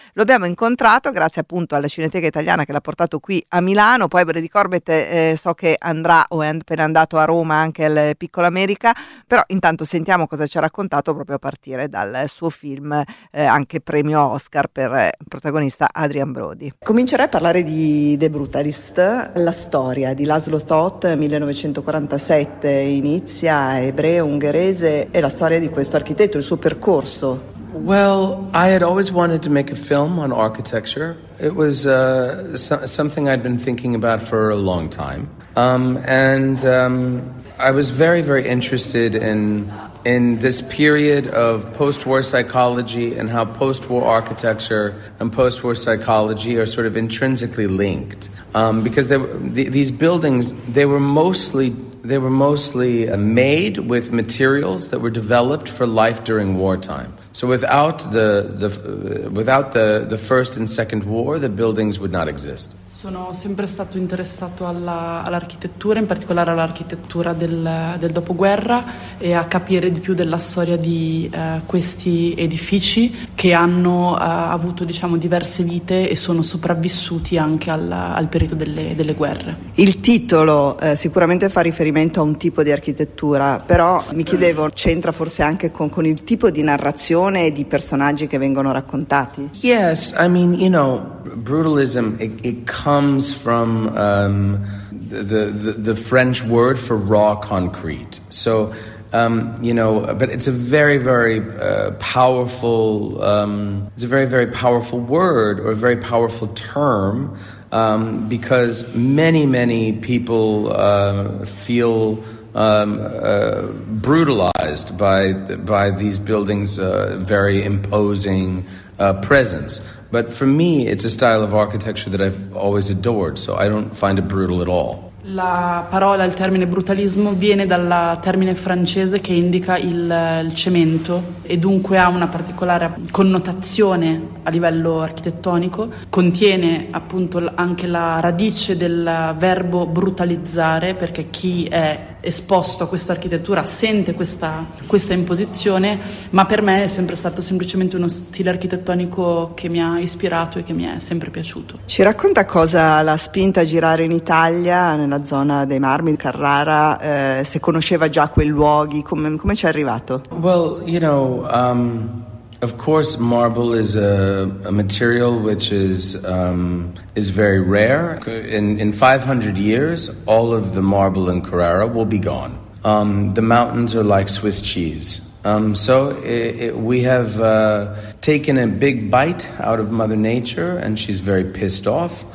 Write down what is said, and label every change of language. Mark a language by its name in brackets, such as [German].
[Italian] Lo abbiamo incontrato grazie appunto alla Cineteca Italiana che l'ha portato qui a Milano, poi Brady Corbett so che andrà o è appena andato a Roma anche al Piccolo America, però intanto sentiamo cosa ci ha raccontato proprio a partire dal suo film, anche premio Oscar per protagonista Adrian Brody. Comincerei a parlare di The Brutalist, la storia di Laszlo Toth, 1947 inizia, ebreo ungherese, e la storia di questo architetto, il suo percorso. [English] Well, I had always wanted to make a film on architecture. It was something I'd been thinking about for a long time. I was very, very interested in this period of post-war psychology and how post-war architecture and post-war psychology are sort of intrinsically linked. Because these buildings, they were mostly made with materials that were developed for life during wartime. So without the first and second war, the buildings would not exist. [Italian] Sono sempre stato interessato all'architettura, in particolare all'architettura del dopoguerra, e a capire di più della storia di questi edifici che hanno avuto, diciamo, diverse vite e sono sopravvissuti anche al periodo delle guerre. Il titolo sicuramente fa riferimento a un tipo di architettura, però mi chiedevo, c'entra forse anche con il tipo di narrazione e di personaggi che vengono raccontati? [English] Yes, I mean, you know, brutalism, comes from the French word for raw concrete. So But it's a very, very powerful. It's a very, very powerful word or a very powerful term, because many, many people feel brutalized by these buildings' very imposing presence. But for me, it's a style of architecture that I've always adored, so I don't find it brutal at all. [Italian] La parola, il termine brutalismo, viene dal termine francese che indica il cemento e dunque ha una particolare connotazione a livello architettonico. Contiene appunto anche la radice del verbo brutalizzare, perché chi è esposto a questa architettura sente questa imposizione, ma per me è sempre stato semplicemente uno stile architettonico che mi ha ispirato e che mi è sempre piaciuto. Ci racconta cosa l'ha spinta a girare in Italia, nella zona dei marmi di Carrara, se conosceva già quei luoghi, come ci è arrivato? [English] Well, you know, of course marble is a material which is very rare. In 500 years, all of the marble in Carrara will be gone. The mountains are like Swiss cheese. So we have taken a big bite out of Mother Nature, and she's very pissed off.